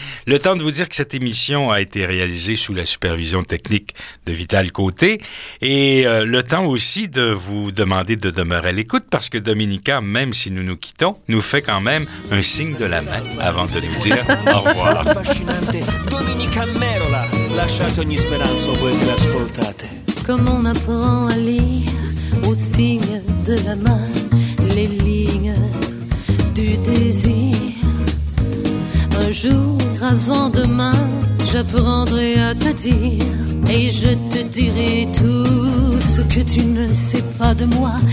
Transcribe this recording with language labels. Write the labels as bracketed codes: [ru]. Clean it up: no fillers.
[fr] Le temps de vous dire que cette émission a été réalisée sous la supervision technique de Vital Côté. Et le temps aussi de vous demander de demeurer à l'écoute parce que Dominica, même si nous nous quittons, nous fait quand même un signe de la main avant de nous dire au revoir. [it] Dominica Merola, lasciate ogni speranza, voi che l'ascoltate. [fr] Comme on apprend à lire au signe de la main les lignes du désir. Un jour avant demain, j'apprendrai à te dire et je te dirai tout ce que tu ne sais pas de moi.